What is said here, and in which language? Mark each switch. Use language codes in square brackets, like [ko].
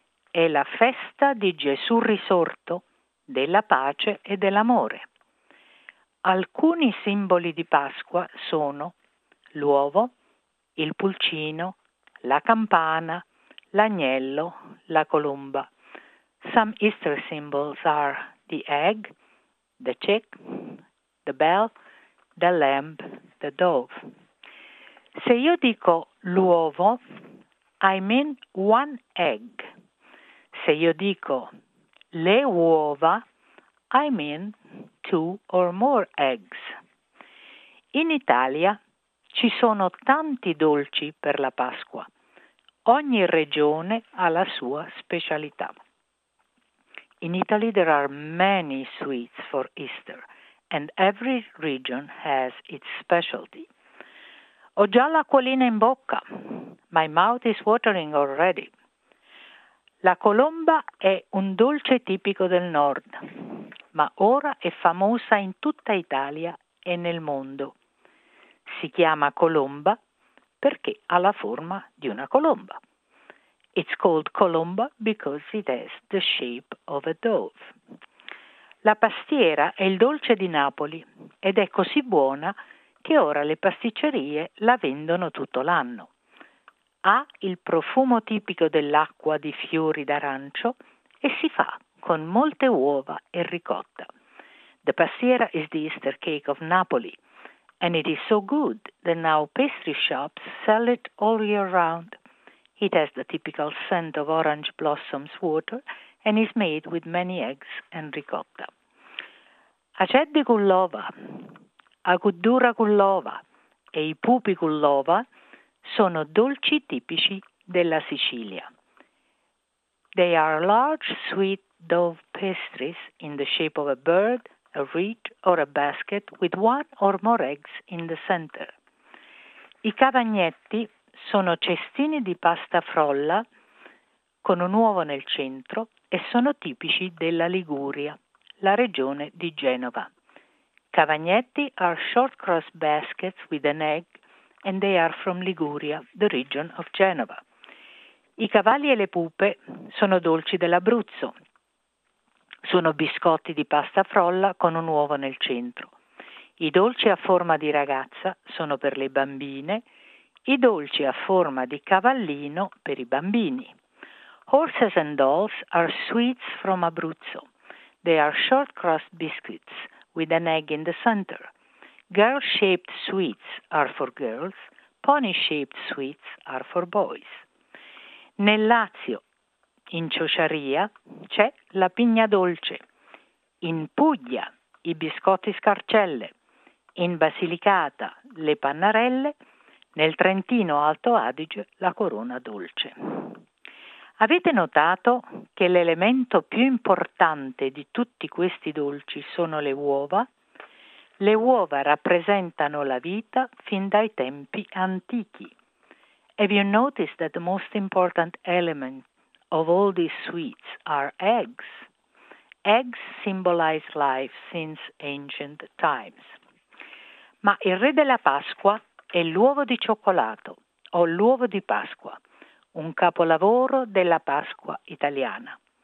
[it] È la festa di Gesù risorto, della pace e dell'amore. Alcuni simboli di Pasqua sono l'uovo, il pulcino, la campana, l'agnello, la colomba. [en] Some Easter symbols are the egg, the chick, the bell, the lamb, the dove. [it] Se io dico l'uovo, [en] I mean one egg. [it] Se io dico le uova, [en] I mean two or more eggs. [it] In Italia ci sono tanti dolci per la Pasqua. Ogni regione ha la sua specialità. [en] In Italy there are many sweets for Easter and every region has its specialty. [it] Ho già l'acquolina in bocca. [en] My mouth is watering already. [it] La colomba è un dolce tipico del nord, ma ora è famosa in tutta Italia e nel mondo. Si chiama colomba perché ha la forma di una colomba. [en] It's called colomba because it has the shape of a dove. [it] La pastiera è il dolce di Napoli ed è così buona che ora le pasticcerie la vendono tutto l'anno. Ha il profumo tipico dell'acqua di fiori d'arancio e si fa con molte uova e ricotta. [en] The pastiera is the Easter cake of Napoli. And it is so good that now pastry shops sell it all year round. It has the typical scent of orange blossoms water and is made with many eggs and ricotta. [it] Aceddi kullova, akuddura kullova e i pupi kullova sono dolci tipici della Sicilia. [en] They are large sweet dough pastries in the shape of a bird, a reed or a basket with one or more eggs in the center. [it] I cavagnetti sono cestini di pasta frolla con un uovo nel centro e sono tipici della Liguria, la regione di Genova. [en] Cavagnetti are short cross baskets with an egg and they are from Liguria, the region of Genova. [it] I cavalli e le pupe sono dolci dell'Abruzzo. Sono biscotti di pasta frolla con un uovo nel centro. I dolci a forma di ragazza sono per le bambine. I dolci a forma di cavallino per i bambini. [en] Horses and dolls are sweets from Abruzzo. They are short crust biscuits with an egg in the center. Girl-shaped sweets are for girls. Pony-shaped sweets are for boys. [it] Nel Lazio, in Ciociaria, c'è la pigna dolce. In Puglia, i biscotti scarcelle. In Basilicata, le pannarelle. Nel Trentino Alto Adige, la corona dolce. Avete notato che l'elemento più importante di tutti questi dolci sono le uova? Le uova rappresentano la vita fin dai tempi antichi. [en] Have you noticed that the most important element of all these sweets are eggs? Eggs symbolize life since ancient times. [it] Ma il re della Pasqua è l'uovo di cioccolato o l'uovo di Pasqua, un capolavoro della Pasqua italiana.